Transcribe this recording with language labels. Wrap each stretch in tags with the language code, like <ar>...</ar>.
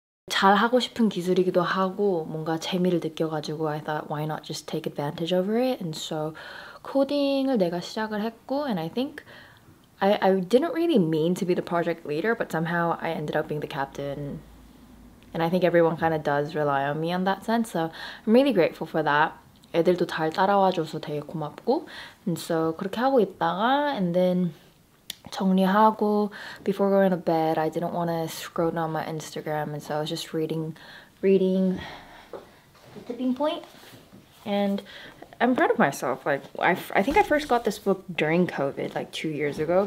<ko>잘 하고 싶은 기술이기도 하고 뭔가 재미를 느껴가지고</ko> <en>I thought why not just take advantage of it. And so</en> <ko>코딩을 내가 시작을 했고</ko> <en>and I think I didn't really mean to be the project leader, but somehow I ended up being the captain. And I think everyone kind of does rely on me in that sense, so I'm really grateful for that.</en> <ko>애들도 잘 따라와줘서 되게 고맙고.</ko> <en>And so</en> <ko>그렇게 하고 있다가</ko> <en>and then 정리하고, before going to bed, I didn't want to scroll down my Instagram, and so I was just reading the tipping point. And I'm proud of myself. Like, I think I first got this book during COVID, like 2 years ago.</en>